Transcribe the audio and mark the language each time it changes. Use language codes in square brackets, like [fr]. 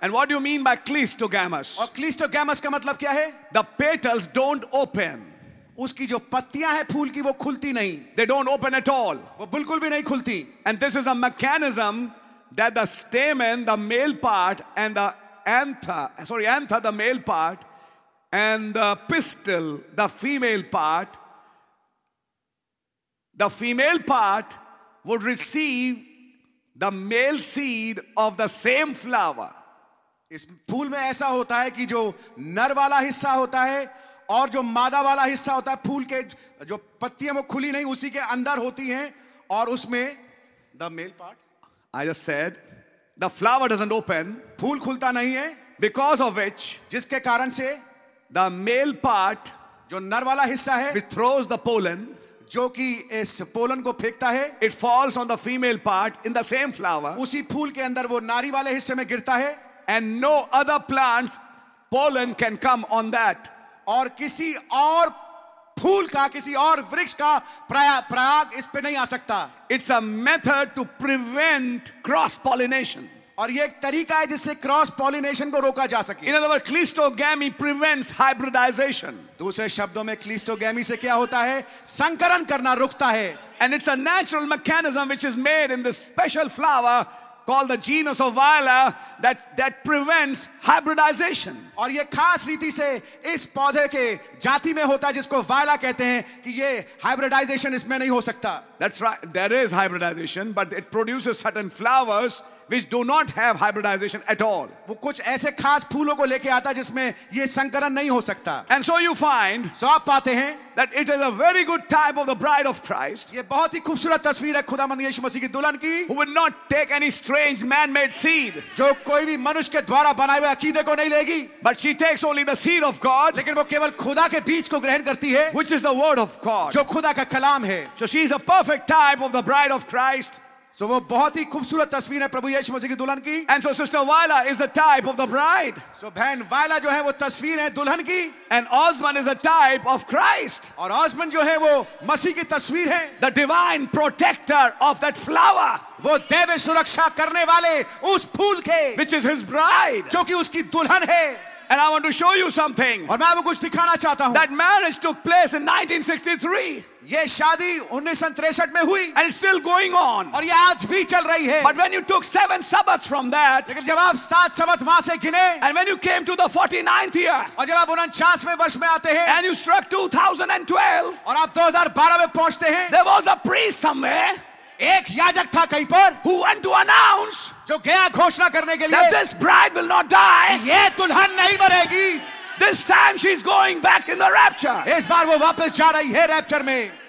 [en] And what do mean by cleistogamous? [hi] और cleistogamous का मतलब क्या है? [en] The petals don't open. [hi] उसकी जो पत्तियां हैं फूल की वो खुलती नहीं. [en] They don't open at all. [hi] वो बिल्कुल भी नहीं खुलती. [en] And this is a mechanism that the stamen, the male part, and the anther, the male part, and the pistil, the female part would receive the male seed of the same flower. [hi] इस फूल में ऐसा होता है कि जो नर वाला हिस्सा होता है और जो मादा वाला हिस्सा होता है फूल के जो पत्तियां वो खुली नहीं उसी के अंदर होती हैं और उसमें [en] The male part. I just said the flower doesn't open. [hi] फूल खुलता नहीं है. [en] Because of which? [hi] जिसके कारण से [en] the male part [hi] जो नर वाला हिस्सा है [en] which throws the pollen [hi] जो कि इस पोलन को फेंकता है. [en] It falls on the female part in the same flower. [hi] उसी फूल के अंदर वो नारी वाले हिस्से में गिरता है. [en] And no other plants pollen can come on that. [hi] और किसी और फूल का किसी और वृक्ष का पराग इस पे नहीं आ सकता. [en] It's a method to prevent cross pollination. [hi] और ये एक तरीका है जिससे क्रॉस पॉलिनेशन को रोका जा सके. [en] In other words, cleistogamy prevents hybridization. [hi] दूसरे शब्दों में cleistogamy से क्या होता है? संकरण करना रुकता है. [en] And it's a natural mechanism which is made in this special flower called the genus of viola that prevents hybridization. [hi] और ये खास रीति से इस पौधे के जाति में होता है जिसको वायला कहते हैं कि ये hybridization इसमें नहीं हो सकता. [en] That's right. There is hybridization, but it produces certain flowers which do not have hybridization at all. [hi] वो कुछ ऐसे खास फूलों को लेके आता जिसमें ये संकरण नहीं हो सकता. [en] And so you find, [hi] so आप पाते हैं, [en] that it is a very good type of the bride of Christ. [hi] ये बहुत ही खूबसूरत तस्वीर है खुदा यीशु मसीह की दुल्हन की. [en] Who will not take any strange man-made seed. [hi] जो कोई भी मनुष्य के द्वारा बनाए हुए अकीदे को नहीं लेगी. [en] But she takes only the seed of God. [hi] लेकिन वो केवल खुदा के बीज को ग्रहण करती है. [en] Which is the word of God. [hi] जो खुदा का कलाम है. [en] So she is a perfect type of the bride of Christ. [hi] So, वो बहुत ही खूबसूरत तस्वीर है प्रभु यीशु मसीह की दुल्हन की. [en] And so sister Viola is a type of the bride. [hi] So बहन वायला जो है वो तस्वीर है दुल्हन की. [en] And Osman is a type of Christ. [hi] और ऑस्मन जो है वो मसीह की तस्वीर है. [en] The divine protector of that flower. [hi] वो दैवीय सुरक्षा करने वाले उस फूल के. [en] Which is his bride. [hi] जो कि उसकी दुल्हन है. [en] And I want to show you something. [hi] और मैं आपको कुछ दिखाना चाहता हूँ. [en] That marriage took place in 1963. [hi] ये शादी 1963 में हुई. [en] And it's still going on. [hi] और ये आज भी चल रही है. [en] But when you took 7 sabbaths from that. [hi] लेकिन जब आप 7 सबथ माह से गिने. [en] And when you came to the 49th year. [hi] और जब आप 49वें वर्ष में आते हैं. [en] And you struck 2012. [hi] और आप 2012 में पहुंचते हैं. [en] There was a priest somewhere. [hi] एक याजक था कहीं पर. [en] Who went to announce. [hi] जो गया घोषणा करने के लिए. [en] That this bride will not die. [hi] ये दुल्हन नहीं मरेगी. [en] This time she's going back in the rapture. [hi] इस बार वो वापस जा रही है रैप्चर में.